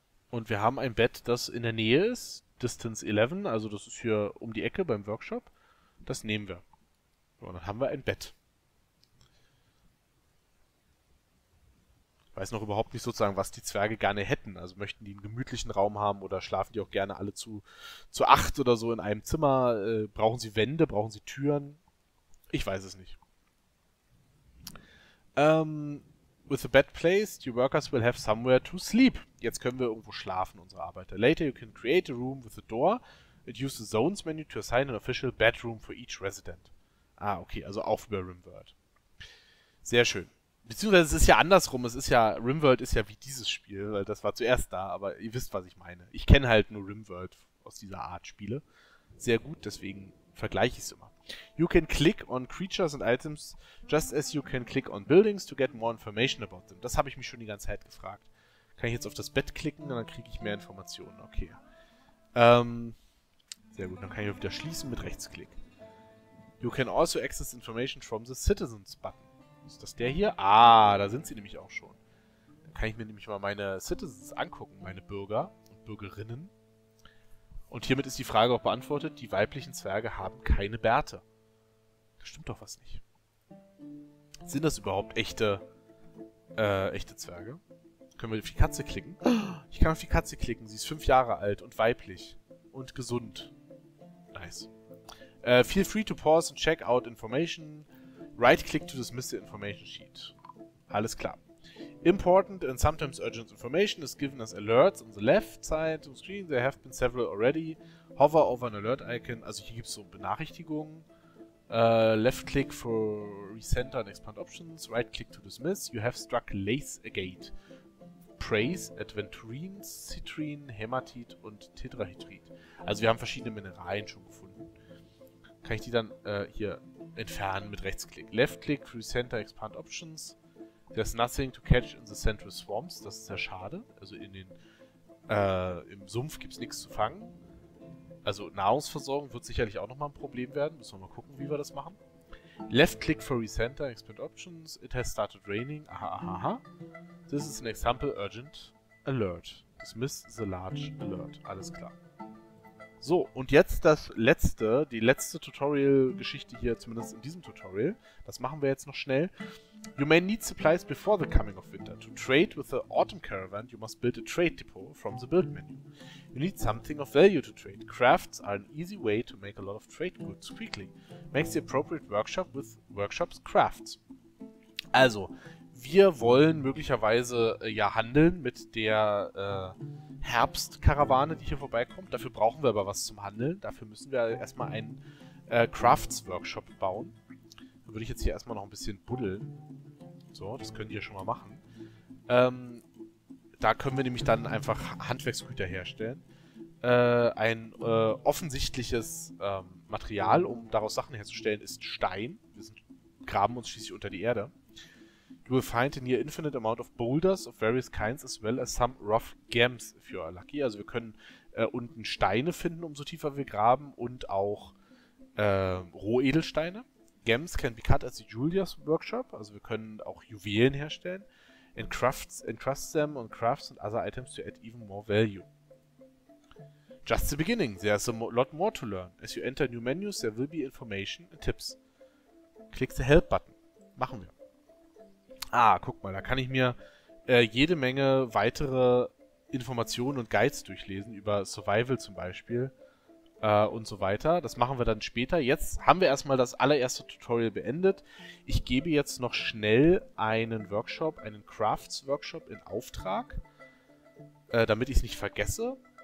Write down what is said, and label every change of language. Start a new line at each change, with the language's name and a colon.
German: Und wir haben ein Bett, das in der Nähe ist. Distance 11, also das ist hier um die Ecke beim Workshop. Das nehmen wir. So, und dann haben wir ein Bett. Ich weiß noch überhaupt nicht sozusagen, was die Zwerge gerne hätten. Also möchten die einen gemütlichen Raum haben oder schlafen die auch gerne alle zu 8 oder so in einem Zimmer? Brauchen sie Wände? Brauchen sie Türen? Ich weiß es nicht.
English: With the bed placed, your workers will have somewhere to sleep.
German: Jetzt können wir irgendwo schlafen, unsere Arbeiter.
English: Later you can create a room with a door and use the zones menu to assign an official bedroom for each resident.
German: Ah, okay, also auch über RimWorld. Sehr schön. Beziehungsweise es ist ja andersrum, es ist ja, RimWorld ist ja wie dieses Spiel, weil das war zuerst da, aber ihr wisst, was ich meine. Ich kenne halt nur RimWorld aus dieser Art Spiele sehr gut, deswegen vergleiche ich es immer.
English: You can click on creatures and items just as you can click on buildings to get more information about them.
German: Das habe ich mich schon die ganze Zeit gefragt. Kann ich jetzt auf das Bett klicken und dann kriege ich mehr Informationen. Okay. Sehr gut, dann kann ich wieder schließen mit Rechtsklick.
English: You can also access information from the citizens button.
German: Ist das der hier? Ah, da sind sie nämlich auch schon. Dann kann ich mir nämlich mal meine Citizens angucken, meine Bürger und Bürgerinnen. Und hiermit ist die Frage auch beantwortet, die weiblichen Zwerge haben keine Bärte. Da stimmt doch was nicht. Sind das überhaupt echte Zwerge? Können wir auf die Katze klicken? Ich kann auf die Katze klicken, sie ist 5 Jahre alt und weiblich und gesund.
English: Nice. Feel free to pause and check out information. Right-click to dismiss the information sheet.
German: Alles klar.
English: Important and sometimes urgent information is given as alerts on the left side of the screen. There have been several already. Hover over an alert icon.
German: Also hier gibt es so Benachrichtigungen.
English: Left-click for recenter and expand options. Right-click to dismiss. You have struck Lace Agate. Praise, Adventurine, Citrine, Hematit und Tetrahydrit.
German: Also wir haben verschiedene Mineralien schon gefunden. Kann ich die dann hier entfernen mit Rechtsklick.
English: Left-click, Recenter, Expand Options. There's nothing to catch in the central swamps.
German: Das ist ja schade. Also im Sumpf gibt es nichts zu fangen. Also Nahrungsversorgung wird sicherlich auch nochmal ein Problem werden. Müssen wir mal gucken, wie wir das machen.
English: Left click for recenter, expand options. It has started raining. Aha, aha, aha. This is an example urgent alert. Dismiss the large alert.
German: Alles klar. So, und jetzt das letzte, die letzte Tutorial-Geschichte hier, zumindest in diesem Tutorial. Das machen wir jetzt noch schnell.
English: You may need supplies before the coming of winter. To trade with the autumn caravan, you must build a trade depot from the build menu. You need something of value to trade. Crafts are an easy way to make a lot of trade goods quickly. Make the appropriate workshop with workshops crafts.
German: Also, wir wollen möglicherweise ja handeln mit der Herbstkarawane, die hier vorbeikommt. Dafür brauchen wir aber was zum Handeln. Dafür müssen wir erstmal einen Crafts-Workshop bauen. Dann würde ich jetzt hier erstmal noch ein bisschen buddeln. So, das könnt ihr schon mal machen. Da können wir nämlich dann einfach Handwerksgüter herstellen. Offensichtliches Material, um daraus Sachen herzustellen, ist Stein. Wir graben uns schließlich unter die Erde.
English: You will find a near infinite amount of boulders of various kinds as well as some rough gems if you are lucky.
German: Also wir können unten Steine finden, umso tiefer wir graben, und auch Rohedelsteine.
English: Gems can be cut at the Julia's Workshop.
German: Also wir können auch Juwelen herstellen.
English: And crafts, encrust them on crafts and other items to add even more value. Just the beginning. There's a lot more to learn. As you enter new menus, there will be information and tips. Click the help button.
German: Machen wir. Ah, guck mal, da kann ich mir jede Menge weitere Informationen und Guides durchlesen, über Survival zum Beispiel und so weiter. Das machen wir dann später. Jetzt haben wir erstmal das allererste Tutorial beendet. Ich gebe jetzt noch schnell einen Workshop, einen Crafts-Workshop in Auftrag, damit ich es nicht vergesse.